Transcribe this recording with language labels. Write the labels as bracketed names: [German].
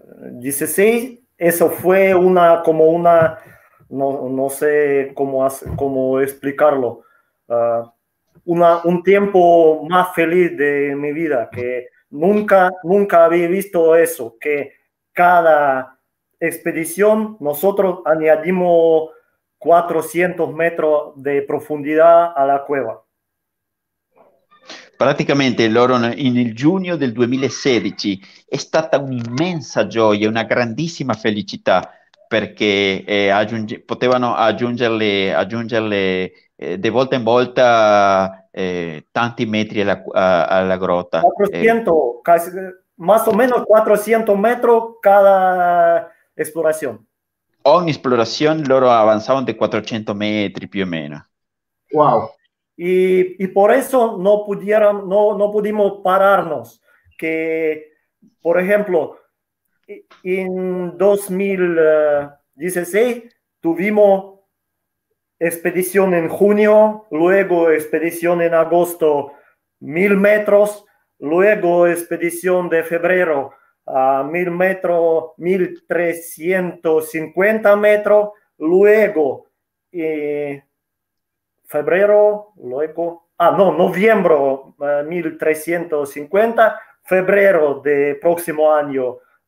[Spanish] 2016, eso fue una, como una, no sé cómo explicarlo, un tiempo más feliz de mi vida, que nunca había visto eso, que cada expedición nosotros añadimos 400 metros de profundidad a la cueva. [Italian] Praticamente, Loron, nel giugno del 2016 è stata un'immensa gioia, una grandissima felicità, perché potevano aggiungerle di volta in volta tanti metri alla grotta. [Spanish] 400, quasi, más o menos 400 metros cada esplorazione. [Italian] Ogni esplorazione loro avanzavano di 400 metri più o meno. Wow! [Spanish] Y por eso no pudimos pararnos, que por ejemplo en 2016 tuvimos expedición en junio, luego expedición en agosto 1000 metros, luego expedición de febrero a 1000 metros, 1350 metros, luego febrero, luego, noviembre 1350, febrero de próximo año